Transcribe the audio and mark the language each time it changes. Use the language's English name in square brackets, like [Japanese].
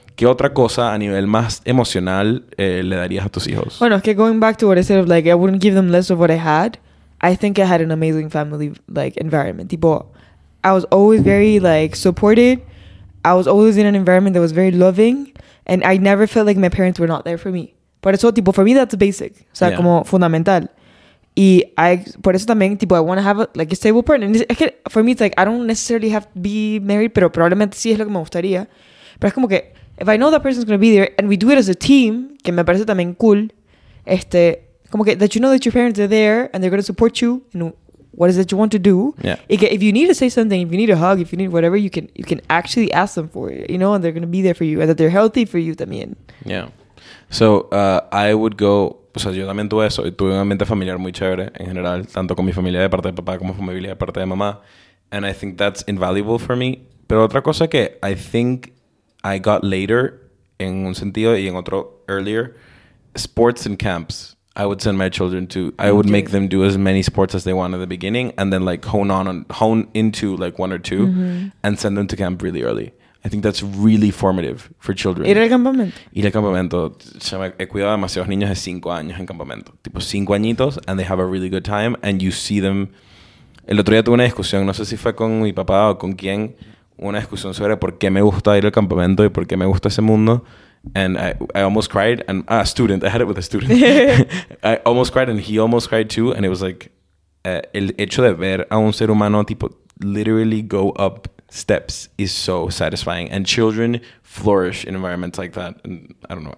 [Spanish] ¿Qué otra cosa a nivel más emocional le darías a tus hijos? Bueno, es que [English] going back to what I said of like, I wouldn't give them less of what I had. I think I had an amazing family like environment. [Spanish] Tipo, [English] I was always very like supported. I was always in an environment that was very loving. And I never felt like my parents were not there for me. [Spanish] Por eso, tipo, [English] for me, that's basic. [Spanish] O sea, como fundamental. Y [English] I, [Spanish] por eso también, tipo, [English] I want to have, a stable partner. And [Spanish] es que, [English] for me, it's like, I don't necessarily have to be married, [Spanish] pero probablemente sí es lo que me gustaría. Pero es como que, [English] if I know that person's going to be there, and we do it as a team, [Spanish] que me parece también cool, como que, [English] that you know that your parents are there, and they're going to support you, and what is it you want to do. Yeah. [Spanish] Y que, [English] if you need to say something, if you need a hug, if you need whatever, you can actually ask them for it, you know, and they're going to be there for you, and that they're healthy for you [Spanish] también. [English] Yeah. So, I would go... [Spanish] O sea, yo también tuve eso. Tuve un ambiente familiar muy chévere, en general. Tanto con mi familia de parte de papá, como con mi familia de parte de mamá. [English] And I think that's invaluable for me. [Spanish] Pero otra cosa que [English] I think I got later, [Spanish] en un sentido y en otro [English] earlier, sports and camps, I would send my children to... I would make them do as many sports as they want at the beginning, and then, like, hone into, like, one or two, and send them to camp really early. I think that's really formative for children. [Spanish] ¿Ir al campamento? Ir al campamento. He cuidado demasiados niños de 5 años en campamento. Tipo, 5 añitos, [English] and they have a really good time, and you see them. [Spanish] El otro día tuve una discusión, no sé si fue con mi papá o con quién, una discusión sobre por qué me gusta ir al campamento y por qué me gusta ese mundo. [English] And I almost cried. And a student. I had it with a student. I almost cried and he almost cried too. And it was like, [Spanish] el hecho de ver a un ser humano tipo [English] literally go up steps is so satisfying. And children flourish in environments like that. And I don't know.